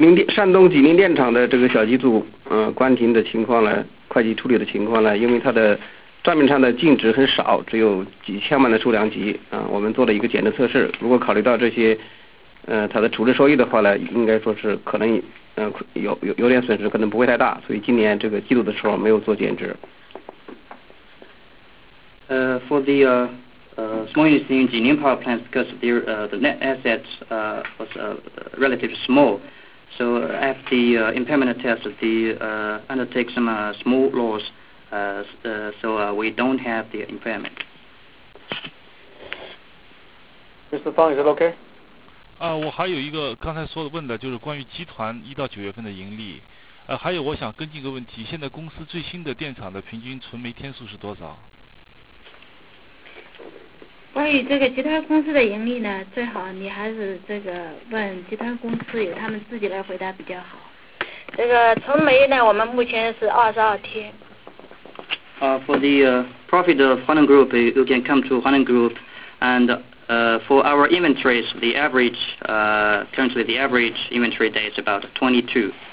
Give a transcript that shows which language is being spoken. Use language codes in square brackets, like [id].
[zh] 山东济宁电厂的这个小机组关停的情况呢，会计处理的情况呢，因为它的账面上的净值很少，只有几千万的数量级啊，我们做了一个简单测试，如果考虑到这些它的处置收益的话呢，应该说是可能有点损失，可能不会太大，所以今年这个季度的时候没有做减值。 [en] For the small units in the new power plants, because the net assets was relatively small, so after the impairment test, they undertake some small loss, so we don't have the impairment. Mr. Fang, is it okay? [zh] 我还有一个刚才说的问的，就是关于集团一到九月份的盈利。还有我想跟进一个问题，现在公司最新的电厂的平均存煤天数是多少？关于这个集团公司的盈利呢，最好你还是这个问集团公司，由他们自己来回答比较好。这个存煤呢，我们目前是22天。 [en] For the profit of Huaneng Group, you can come to Huaneng Group and. For our inventories, the average, currently the average inventory day is about 22.